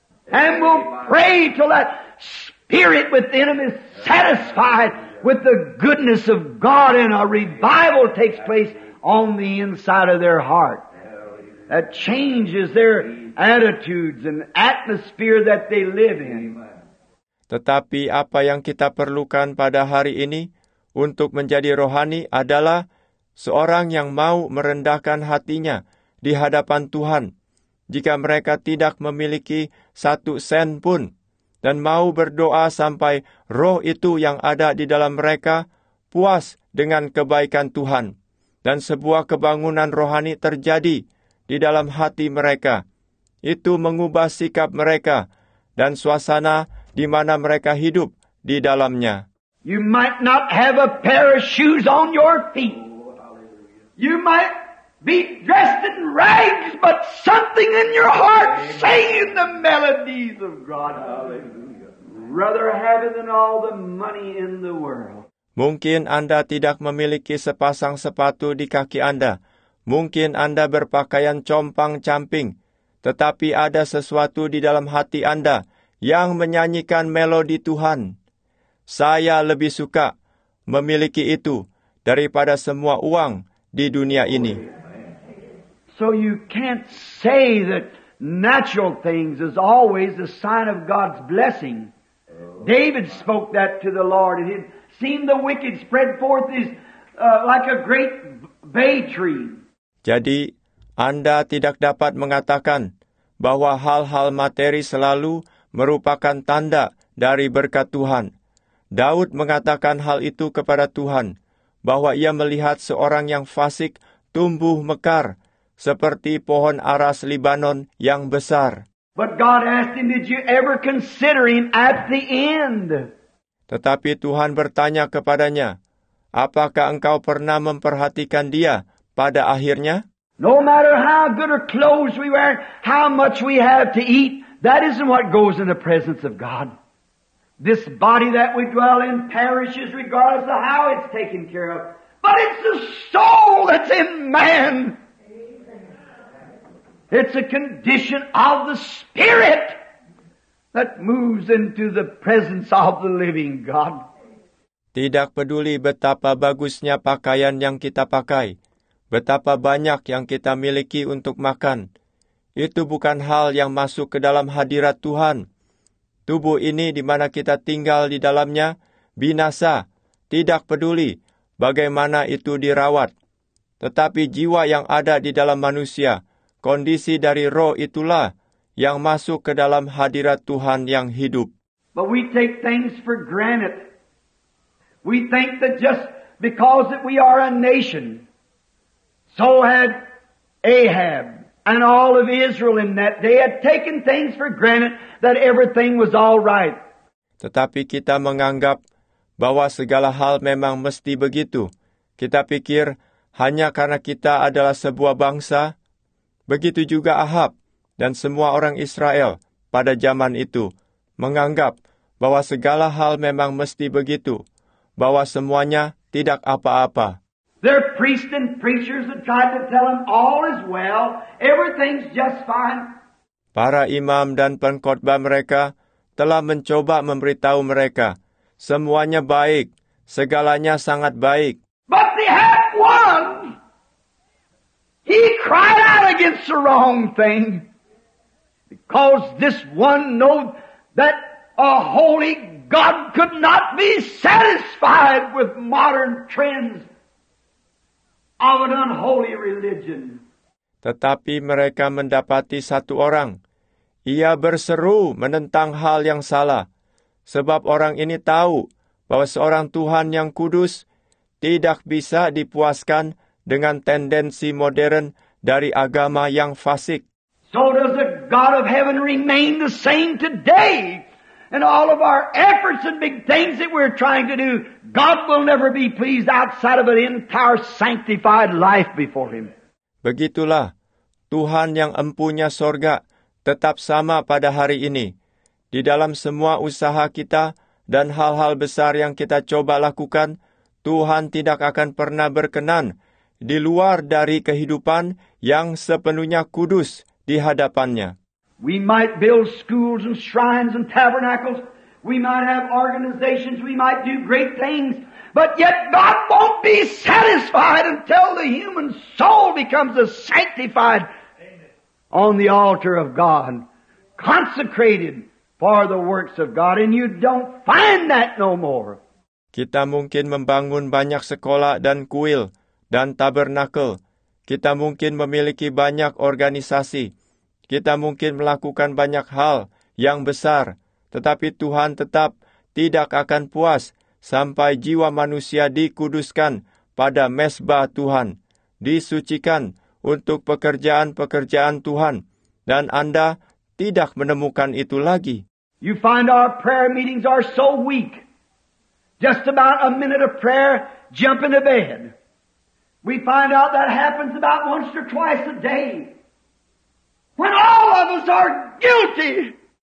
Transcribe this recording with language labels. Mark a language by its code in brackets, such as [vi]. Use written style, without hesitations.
[en] And will pray till that spirit within them is satisfied with the goodness of God and a revival takes place on the inside of their heart. That changes their attitudes and atmosphere that they live in. [id] Tetapi apa yang kita perlukan pada hari ini untuk menjadi rohani adalah seorang yang mau merendahkan hatinya di hadapan Tuhan jika mereka tidak memiliki satu sen pun dan mau berdoa sampai roh itu yang ada di dalam mereka puas dengan kebaikan Tuhan. Dan sebuah kebangunan rohani terjadi di dalam hati mereka. itu mengubah sikap mereka dan suasana di mana mereka hidup di dalamnya. [en] You might not have a pair of shoes on your feet. You might be dressed in rags, but something in your heart saying the melodies of God. Hallelujah. Rather have it than all the money in the world. [id] Mungkin Anda tidak memiliki sepasang sepatu di kaki Anda. Mungkin Anda berpakaian compang-camping. Tetapi ada sesuatu di dalam hati Anda yang menyanyikan melodi Tuhan. Saya lebih suka memiliki itu daripada semua uang di dunia ini. [en] So you can't say that natural things is always a sign of God's blessing. David spoke that to the Lord, and it seemed the wicked spread forth his like a great bay tree. [id] Jadi, Anda tidak dapat mengatakan bahwa hal-hal materi selalu merupakan tanda dari berkat Tuhan. Daud mengatakan hal itu kepada Tuhan, bahwa ia melihat seorang yang fasik tumbuh mekar seperti pohon aras Libanon yang besar. [en] But God asked him, did you ever consider him at the end? [id] Tetapi Tuhan bertanya kepadanya, apakah engkau pernah memperhatikan dia pada akhirnya? [en] No matter how good our clothes we wear, how much we have to eat, that isn't what goes in the presence of God. This body that we dwell in perishes regardless of how it's taken care of. But it's the soul that's in man. It's a condition of the Spirit that moves into the presence of the living God. [id] Tidak peduli betapa bagusnya pakaian yang kita pakai, betapa banyak yang kita miliki untuk makan, itu bukan hal yang masuk ke dalam hadirat Tuhan. Tubuh ini di mana kita tinggal di dalamnya, binasa, tidak peduli bagaimana itu dirawat. Tetapi jiwa yang ada di dalam manusia, kondisi dari roh itulah yang masuk ke dalam hadirat Tuhan yang hidup. [en] But we take things for granted. We think that just because that we are a nation, so had Ahab and all of Israel in that day had taken things for granted that everything was all right. [id] Tetapi kita menganggap bahwa segala hal memang mesti begitu. Kita pikir hanya karena kita adalah sebuah bangsa. Begitu juga Ahab dan semua orang Israel pada zaman itu menganggap bahwa segala hal memang mesti begitu, bahwa semuanya tidak apa-apa. [en] Their priests and preachers that tried to tell them all is well, everything's just fine. [id] Para imam dan pengkhotbah mereka telah mencoba memberitahu mereka semuanya baik, segalanya sangat baik. [en] But they have one. He cried out against the wrong thing. Because this one knew that a holy God could not be satisfied with modern trends of an unholy religion. [id] Tetapi mereka mendapati satu orang. Ia berseru menentang hal yang salah. Sebab orang ini tahu bahwa seorang Tuhan yang kudus tidak bisa dipuaskan dengan tendensi modern dari agama yang fasik. [en] So does the God of heaven remain the same today? And all of our efforts and big things that we're trying to do, God will never be pleased outside of an entire sanctified life before him. [id] Begitulah, Tuhan yang empunya sorga tetap sama pada hari ini. Di dalam semua usaha kita dan hal-hal besar yang kita coba lakukan, Tuhan tidak akan pernah berkenan di luar dari kehidupan yang sepenuhnya kudus di hadapannya. [en] We might build schools and shrines and tabernacles. We might have organizations. We might do great things. But yet God won't be satisfied until the human soul becomes a sanctified on the altar of God, consecrated for the works of God. And you don't find that no more. [id] Kita mungkin membangun banyak sekolah dan kuil dan tabernakel. Kita mungkin memiliki banyak organisasi. Kita mungkin melakukan banyak hal yang besar, tetapi Tuhan tetap tidak akan puas sampai jiwa manusia dikuduskan pada mesbah Tuhan, disucikan untuk pekerjaan-pekerjaan Tuhan dan Anda tidak menemukan itu lagi. [en] You find our prayer meetings are so weak. Just about a minute of prayer, jump into bed. We find out that happens about once or twice a day. When all of us are guilty.